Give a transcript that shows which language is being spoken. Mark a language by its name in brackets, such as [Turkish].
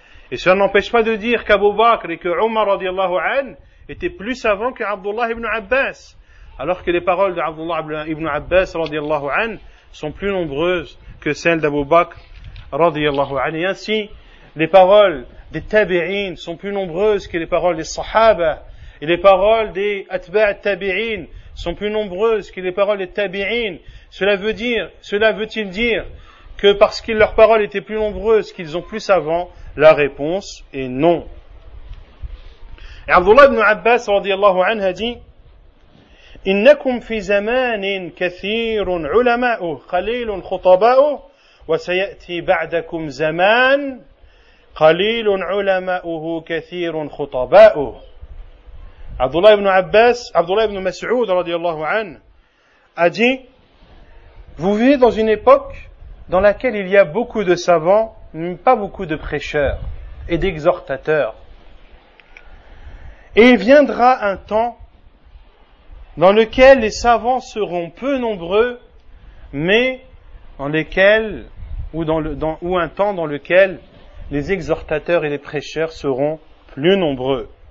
[French] Et cela n'empêche pas de dire qu'Abu Bakr et que Umar radiyallahu anhu était plus savant que Abdullah ibn Abbas, alors que les paroles de Abdullah ibn Abbas radiyallahu anhu sont plus nombreuses que celles d'Abu Bakr radiyallahu anhu. Et ainsi, les paroles des tabi'in sont plus nombreuses que les paroles des sahaba, et les paroles des atba' tabi'in sont plus nombreuses que les paroles des tabi'in. Cela veut-il dire que parce que leurs paroles étaient plus nombreuses qu'ils ont plus savant? La réponse est non. Abdullah ibn Abbas radiyallahu anhu a dit [Arabic] إنكم في زمان كثير علماؤه قليل خطباؤه وسيأتي بعدكم زمان قليل علماؤه كثير خطباؤه. [French] Abdullah ibn Mas'ud radiyallahu anhu a dit: vous vivez dans une époque dans laquelle il y a beaucoup de savants mais pas beaucoup de prêcheurs et d'exhortateurs. Et il viendra un temps dans lequel les savants seront peu nombreux, mais dans lesquels, ou dans le, dans, ou un temps dans lequel les exhortateurs et les prêcheurs seront plus nombreux.